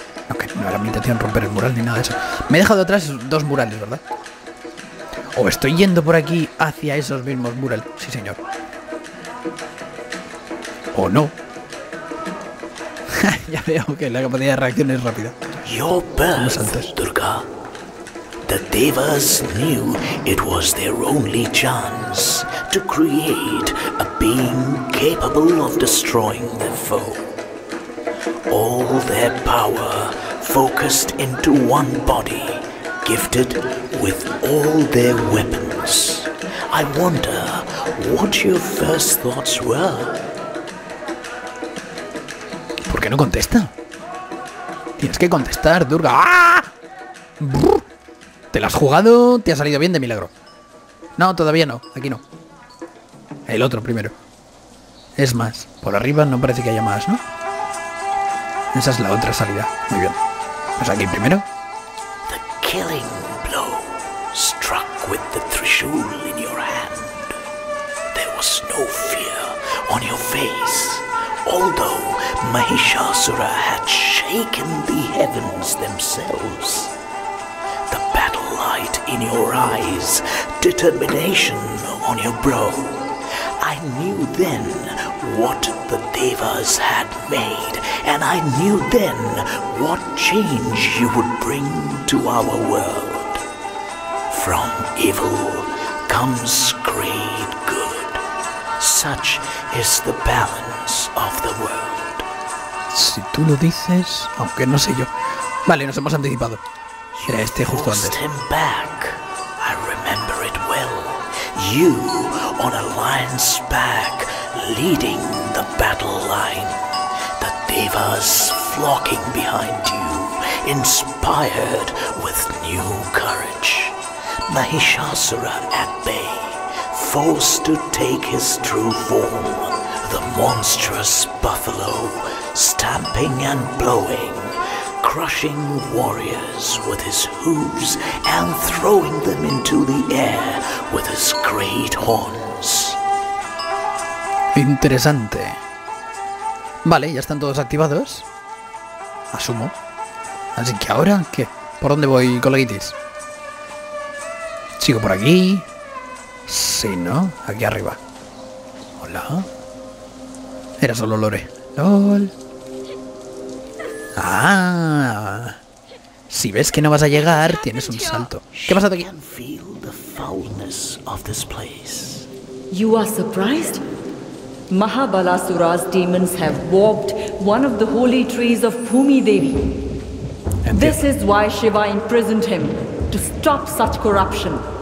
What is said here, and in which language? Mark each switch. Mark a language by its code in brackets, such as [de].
[es] Ok, no era mi intención romper el mural ni nada de eso. Me he dejado atrás dos murales, ¿verdad? O estoy yendo por aquí hacia esos mismos murales. Sí, señor. O no. Ya veo que la capacidad de reacción es rápida. [en] Your birth, Durga. The devas knew it was their only chance to create a being capable of destroying their foe. All their power focused into one body, gifted with all their weapons. I wonder what your first thoughts were. [es] ¿Por qué no contesta? Tienes que contestar, Durga. ¡Ah! ¿Te la has jugado? ¿Te ha salido bien de milagro? No, todavía no. Aquí no. El otro primero. Es más, por arriba no parece que haya más, ¿no? Esa es la otra salida. Muy bien. Pues aquí primero. [en] The killing blow struck with the Trishul in your hand. There was no fear on your face. Although Mahishasura had shaken the heavens themselves, the battle light in your eyes, determination on your brow, I knew then what the devas had made, and I knew then what change you would bring to our world. From evil comes great good. Such is the balance. Of the world. [es] Si tú lo dices, aunque no sé yo. Vale, nos hemos anticipado. Este justo antes. [en] Him back. I remember it well. You on a lion's back, leading the battle line. The devas flocking behind you, inspired with new courage. Mahishasura at bay, forced to take his true form. The monstrous buffalo, stamping and blowing, crushing warriors with his hooves and throwing them into the air with his great horns. [es] Interesante. Vale, ya están todos activados. Asumo. Así que ahora, ¿qué? ¿Por dónde voy, coleguitis? ¿Sigo por aquí? Sí, ¿no? Aquí arriba. Hola. Era solo lore. LOL. Ah. Si ves que no vas a llegar, tienes un salto. ¿Qué ha pasado aquí? [en] Can feel the foulness of this place. You are surprised? Mahabalasura's demons have warped one of the holy trees of Bhumi Devi. This is why Shiva imprisoned him, to stop such corruption.